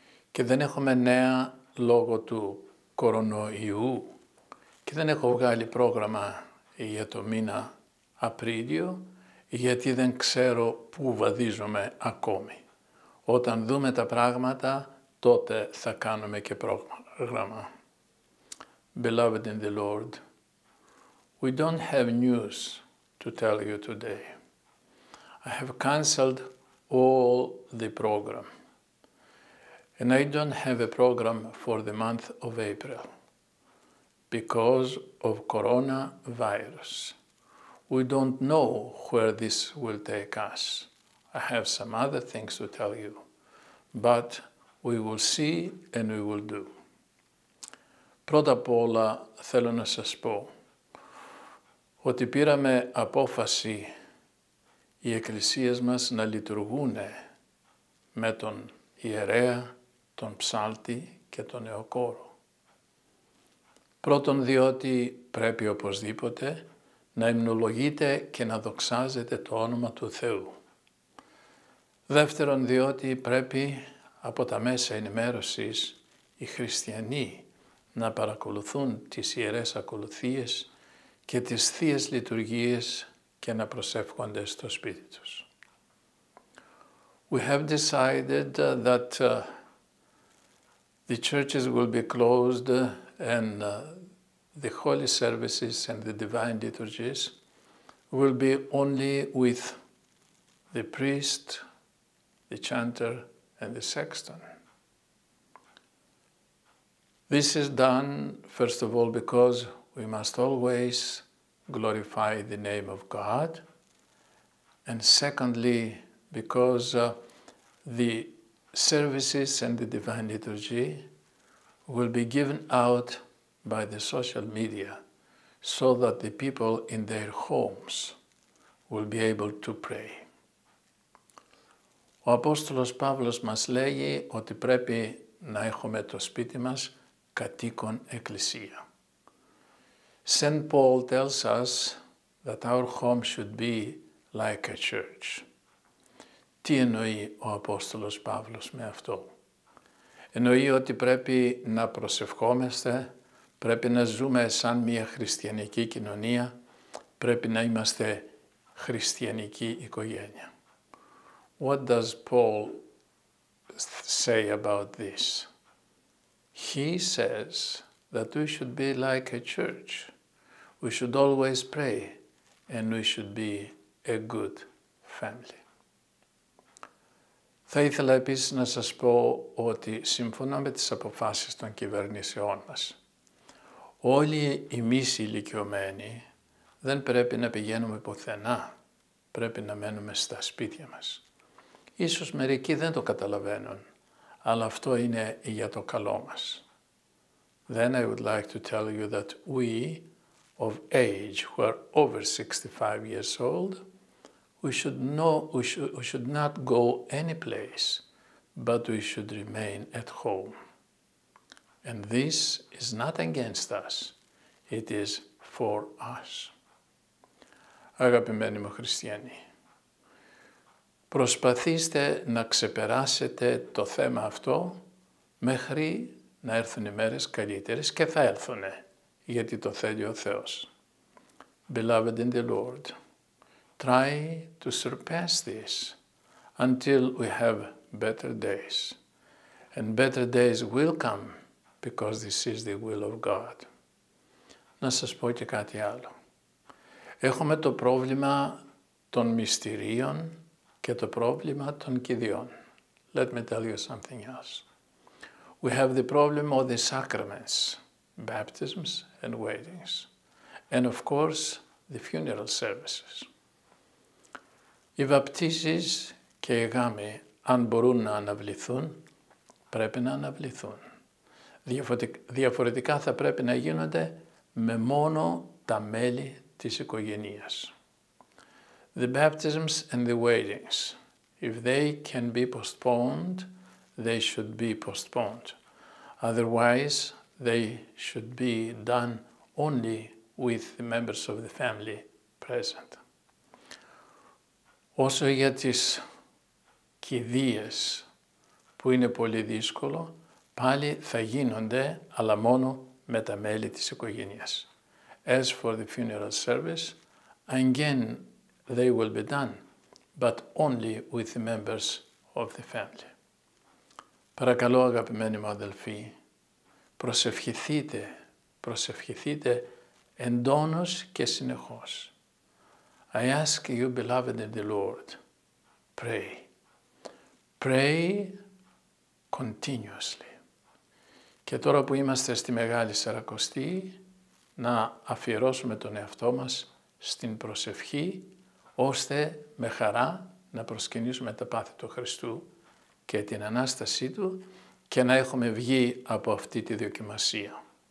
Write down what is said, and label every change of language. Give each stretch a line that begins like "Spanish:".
Greek: Και δεν έχουμε νέα λόγω του κορονοϊού και δεν έχω βγάλει πρόγραμμα για το μήνα Απρίλιο, γιατί δεν ξέρω πού βαδίζομαι ακόμη. Όταν δούμε τα πράγματα, τότε θα κάνουμε και πρόγραμμα.
English: Beloved in the Lord, we don't have news to tell you today. I have canceled all the program. And I don't have a program for the month of April because of coronavirus. We don't know where this will take us. I have some other things to tell you, but we will see and we will do.
Greek: Πρώτα απ' όλα θέλω να σας πω ότι πήραμε απόφαση οι εκκλησίες μας να λειτουργούν με τον ιερέα, τον ψάλτη και τον νεοκόρο. Πρώτον, διότι πρέπει οπωσδήποτε να υμνολογείται και να δοξάζεται το όνομα του Θεού. Δεύτερον, διότι πρέπει από τα μέσα ενημέρωσης οι χριστιανοί να παρακολουθούν τις ιερές ακολουθίες και τις θείες λειτουργίες και να προσεύχονται στο σπίτι τους.
English: We have decided that the churches will be closed and the holy services and the divine liturgies will be only with the priest, the chanter and the sexton. This is done, first of all, because we must always glorify the name of God, and secondly, because the services and the divine liturgy will be given out by the social media so that the people in their homes will be able to pray.
Greek: Ο Απόστολος Παύλος μας λέγει ότι πρέπει να έχουμε το σπίτι μας κατοίκον εκκλησία.
English: Saint Paul tells us that our home should be like a church.
Greek: Τι εννοεί ο Απόστολος Παύλος με αυτό? Εννοεί ότι πρέπει να προσευχόμαστε, πρέπει να ζούμε σαν μια χριστιανική κοινωνία, πρέπει να είμαστε χριστιανική οικογένεια.
English: What does Paul say about this? He says that we should be like a church. We should always pray and we should be a good family.
Greek: Θα ήθελα επίσης να σας πω ότι σύμφωνα με τις αποφάσεις των κυβερνήσεών μας, όλοι οι μης ηλικιωμένοι δεν πρέπει να πηγαίνουμε πουθενά. Πρέπει να μένουμε στα σπίτια μας. Ίσως μερικοί δεν το καταλαβαίνουν, αλλά αυτό είναι για το καλό μας.
English: Then I would like to tell you that we of age who are over 65 years old, we should not go any place, but we should remain at home. And this is not against us, it is for us.
Greek: Αγαπημένοι μου χριστιανοί, προσπαθήστε να ξεπεράσετε το θέμα αυτό μέχρι να έρθουν οι μέρες καλύτερες και θα έρθουνε, γιατί το θέλει ο Θεός.
English: Beloved in the Lord, try to surpass this until we have better days. And better days will come because this is the will of God.
Greek: Να σας πω και κάτι άλλο. Έχουμε το πρόβλημα των μυστηρίων και το πρόβλημα των κηδιών.
English: Let me tell you something else. We have the problem of the sacraments, baptisms and weddings, and of course the funeral services.
Greek: Οι βαπτίσεις και οι γάμοι, αν μπορούν να αναβληθούν, πρέπει να αναβληθούν. Διαφορετικά θα πρέπει να γίνονται με μόνο τα μέλη της οικογενείας.
English: The baptisms and the weddings, if they can be postponed, they should be postponed. Otherwise, they should be done only with the members of the family present.
Greek: Όσο για τις κηδείες που είναι πολύ δύσκολο, πάλι θα γίνονται, αλλά μόνο με τα μέλη της οικογένειας.
English: As for the funeral service, again they will be done, but only with the members of the family.
Greek: Παρακαλώ, αγαπημένοι μου αδελφοί, προσευχηθείτε, προσευχηθείτε εντόνως και συνεχώς.
English: I ask you, beloved in the Lord, pray. Pray continuously.
Greek: Και τώρα που είμαστε στη Μεγάλη Σαρακοστή, να αφιερώσουμε τον εαυτό μας στην προσευχή, ώστε με χαρά να προσκυνήσουμε τα πάθη του Χριστού και την Ανάστασή Του και να έχουμε βγει από αυτή τη δοκιμασία.